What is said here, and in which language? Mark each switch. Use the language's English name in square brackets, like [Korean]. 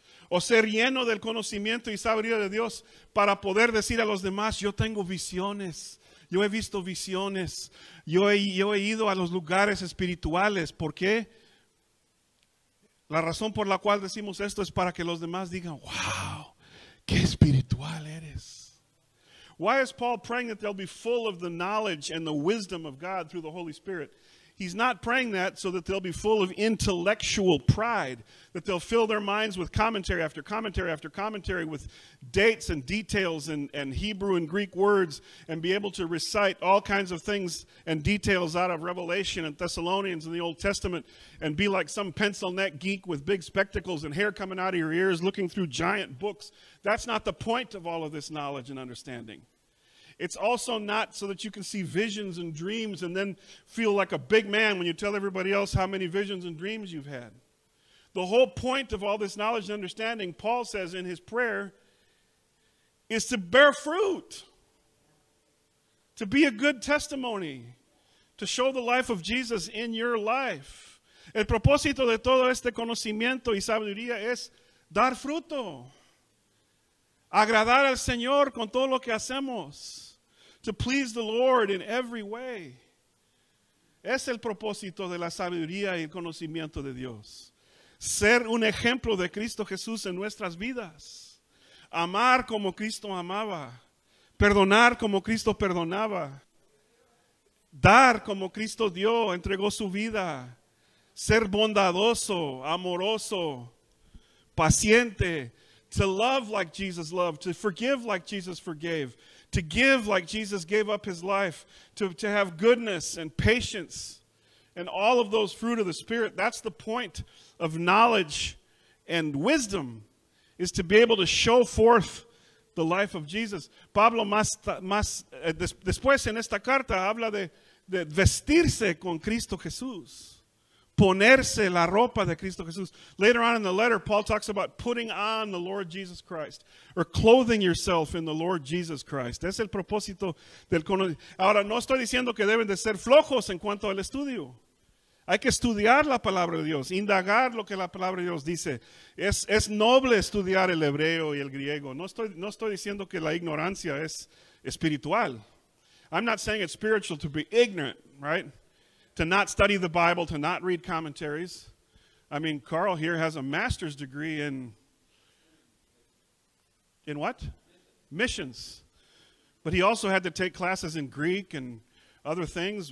[Spanish] O ser lleno del conocimiento y sabiduría de Dios para poder decir a los demás, yo tengo visiones, yo he visto visiones, yo he ido a los lugares espirituales. ¿Por qué? La razón por la cual decimos esto es para que los demás digan, wow, qué espiritual eres. [English] Why is Paul praying that they'll be full of the knowledge and the wisdom of God through the Holy Spirit? He's not praying that so that they'll be full of intellectual pride, that they'll fill their minds with commentary after commentary after commentary with dates and details and Hebrew and Greek words and be able to recite all kinds of things and details out of Revelation and Thessalonians and the Old Testament and be like some pencil neck geek with big spectacles and hair coming out of your ears looking through giant books. That's not the point of all of this knowledge and understanding. It's also not so that you can see visions and dreams and then feel like a big man when you tell everybody else how many visions and dreams you've had. The whole point of all this knowledge and understanding, Paul says in his prayer, is to bear fruit, to be a good testimony, to show the life of Jesus in your life. [Spanish] El propósito de todo este conocimiento y sabiduría es dar fruto, agradar al Señor con todo lo que hacemos. [English] To please the Lord in every way. [Spanish] Es el propósito de la sabiduría y el conocimiento de Dios. Ser un ejemplo de Cristo Jesús en nuestras vidas. Amar como Cristo amaba. Perdonar como Cristo perdonaba. Dar como Cristo dio, entregó su vida. Ser bondadoso, amoroso, paciente. [English] To love like Jesus loved. To forgive like Jesus forgave. To give like Jesus gave up his life, to have goodness and patience and all of those fruit of the Spirit. That's the point of knowledge and wisdom, is to be able to show forth the life of Jesus. [Spanish] Pablo después en esta carta habla de vestirse con Cristo Jesús, ponerse la ropa de Cristo Jesús. [English] Later on in the letter, Paul talks about putting on the Lord Jesus Christ, or clothing yourself in the Lord Jesus Christ. [Spanish] Es el propósito del conocimiento. Ahora, no estoy diciendo que deben de ser flojos en cuanto al estudio. Hay que estudiar la palabra de Dios, indagar lo que la palabra de Dios dice. Es noble estudiar el hebreo y el griego. No estoy diciendo que la ignorancia es espiritual. [English] I'm not saying it's spiritual to be ignorant, right? To not study the Bible, to not read commentaries. I mean, Carl here has a master's degree in what? Missions. But he also had to take classes in Greek and other things.